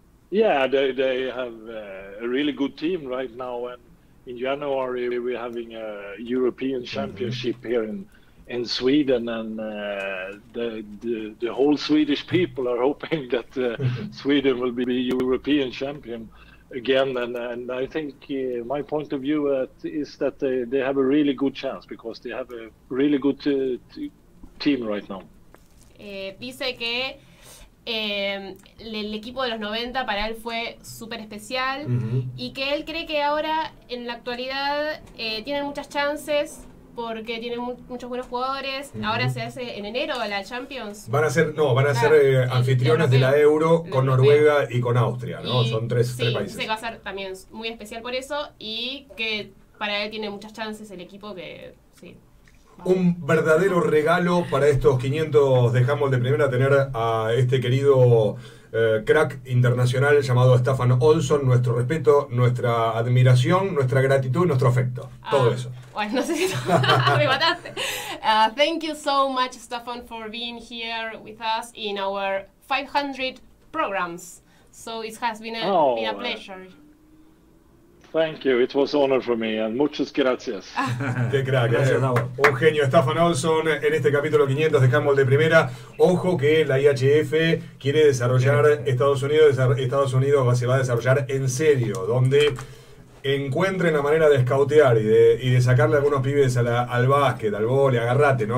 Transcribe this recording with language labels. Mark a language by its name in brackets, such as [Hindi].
[English] Yeah, they have a really good team right now, and in January we're having a European Championship here in Sweden, and the whole Swedish people are hoping that Sweden will be European champion again, and I think my point of view is that they have a really good chance because they have a really good team right now. [Spanish] Dice que el equipo de los 90 para él fue súper especial, uh-huh, y que él cree que ahora en la actualidad tienen muchas chances porque tienen muchos buenos jugadores, uh-huh. Ahora se hace en enero la Champions, van a ser anfitrionas de la Euro con Noruega y con Austria, ¿no? Son tres países, sí, va a ser también muy especial por eso, y que para él tiene muchas chances el equipo, que sí. Un verdadero regalo para estos 500 de Humboldt de Primera tener a este querido crack internacional llamado Staffan Olsson. Nuestro respeto, nuestra admiración, nuestra gratitud, nuestro afecto. Ah, todo eso. Bueno, no sé si me mataste. [English] Thank you so much, Staffan, for being here with us in our 500 programs. So it has been a pleasure. Thank you. It was an honor for me and [Spanish] muchas gracias. Qué crack. Gracias. Un genio, Staffan Olsson, en este capítulo 500 de Humboldt de Primera. Ojo que la IHF quiere desarrollar Estados Unidos se va a desarrollar en serio, donde encuentren la manera de scoutear y de sacarle algunos pibes al básquet, al vole, agarrate, ¿no?